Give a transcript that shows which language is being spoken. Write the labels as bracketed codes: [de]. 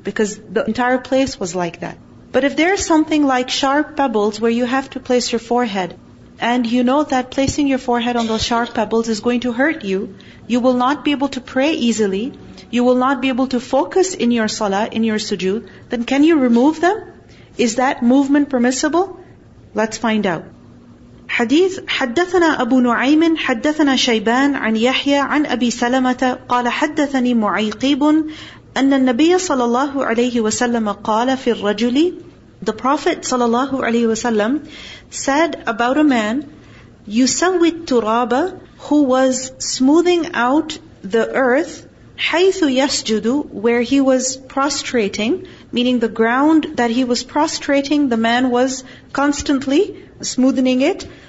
[en] Because the entire place was like that. But if there is something like sharp pebbles where you have to place your forehead, and you know that placing your forehead on those sharp pebbles is going to hurt you, you will not be able to pray easily, you will not be able to focus in your salah, in your sujood, then can you remove them? Is that movement permissible? Let's find out. [ar] Hadith, حدثنا أبو نعيم حدثنا شيبان عن يحيى عن أبي سلمة قال حدثني معيقيب أن النبي صلى الله عليه وسلم قال في الرجل. [en] The Prophet sallallahu alaihi wasallam said about a man, [ar] يُسَوِّتْ تُرَابَ, [en] who was smoothing out the earth, [ar] حَيْثُ يَسْجُدُ, [en] where he was prostrating, meaning the ground that he was prostrating, the man was constantly smoothing it.